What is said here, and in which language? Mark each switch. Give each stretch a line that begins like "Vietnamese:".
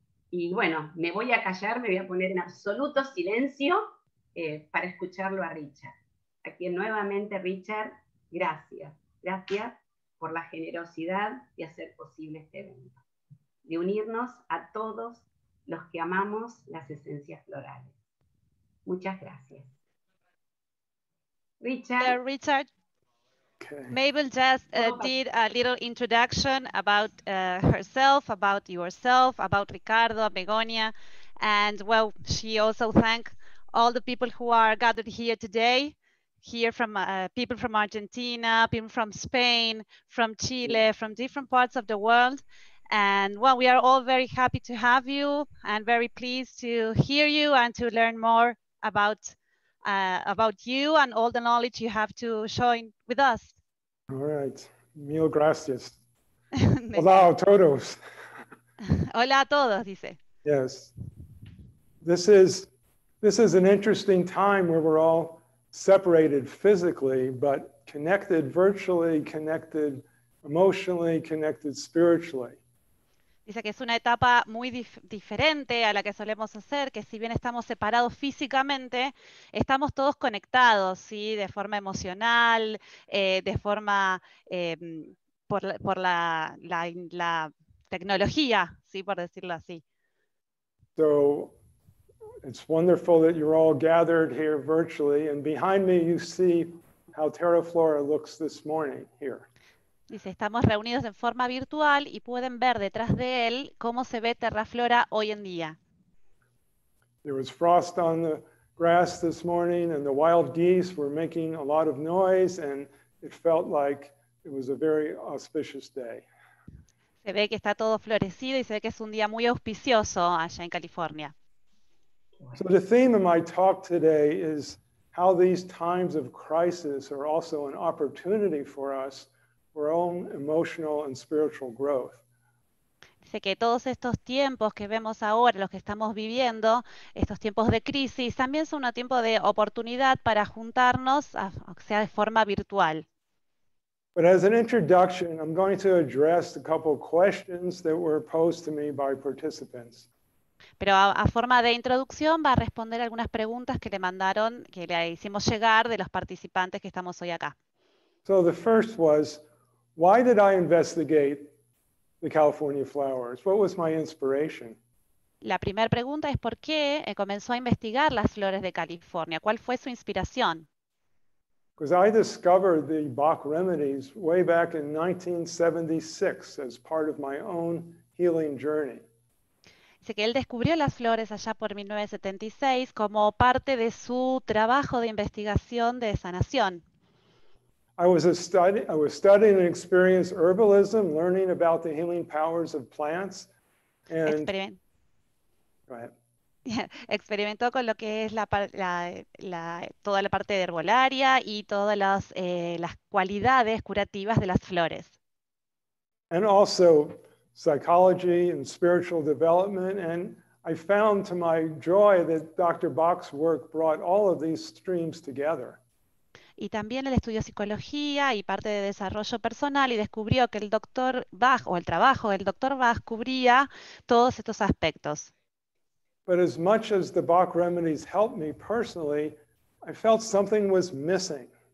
Spanish: Y bueno, me voy a callar, me voy a poner en absoluto silencio para escucharlo a Richard. A quien nuevamente, Richard, gracias. Gracias por la generosidad de hacer posible este evento. De unirnos a todos los que amamos las esencias florales. Muchas gracias. Richard.
English: Richard, Mabel just did a little introduction about herself, about yourself, about Ricardo, Begonia, and well, she also thanked all the people who are gathered here today, here from people from Argentina, people from Spain, from Chile, from different parts of the world. And well, we are all very happy to have you and very pleased to hear you and to learn more about you and all the knowledge you have to join with us. All right,
Spanish: mil gracias. Hola a todos. Hola a todos, dice.
English: Yes, this is an interesting time where we're all separated physically, but connected virtually, connected emotionally, connected spiritually.
Spanish: Dice que es una etapa muy diferente a la que solemos hacer, que si bien estamos separados físicamente, estamos todos conectados, ¿sí? De forma emocional, de forma por la tecnología, ¿sí? Por decirlo así.
English: So, it's wonderful that you're all gathered here virtually, and behind me you see how Terra Flora looks this morning here.
Spanish: Dice, estamos reunidos en forma virtual y pueden ver detrás de él cómo se ve Terra Flora hoy en día.
English: There was frost on the grass this morning and the wild geese were making a lot of noise and it felt like it was a very auspicious day.
Spanish: Se ve que está todo florecido y se ve que es un día muy auspicioso allá en California.
English: So the theme of my talk today is how these times of crisis are also an opportunity for us our own emotional and spiritual growth.
Spanish: Sé que todos estos tiempos que vemos ahora, los que estamos viviendo, estos tiempos de crisis, también son un tiempo de oportunidad para juntarnos, o sea, de forma virtual.
English: But as an introduction, I'm going to address a couple of questions that were posed to me by participants.
Spanish: pero a forma de introducción va a responder algunas preguntas que le mandaron, que le hicimos llegar de los participantes que estamos hoy acá.
English: So the first was, why did I investigate the California flowers? What was my inspiration?
Spanish: La primera pregunta es, ¿por qué comenzó a investigar las flores de California? ¿Cuál fue su inspiración?
English: Because I discovered the Bach remedies way back in 1976 as part of my own healing journey.
Spanish: Dice que él descubrió las flores allá por 1976 como parte de su trabajo de investigación de sanación.
English: I was studying and experienced herbalism, learning about the healing powers of plants. And
Spanish: Experimentó con lo que es toda la parte de herbolaria y todas las cualidades curativas de las flores.
English: And also psychology and spiritual development. And I found to my joy that Dr. Bach's work brought all of these streams together.
Spanish: Y también él estudió psicología y parte de desarrollo personal y descubrió que el Dr. Bach o el trabajo del Dr. Bach cubría todos estos aspectos.
English: But as much as the Bach remedies helped me personally, I felt something was missing.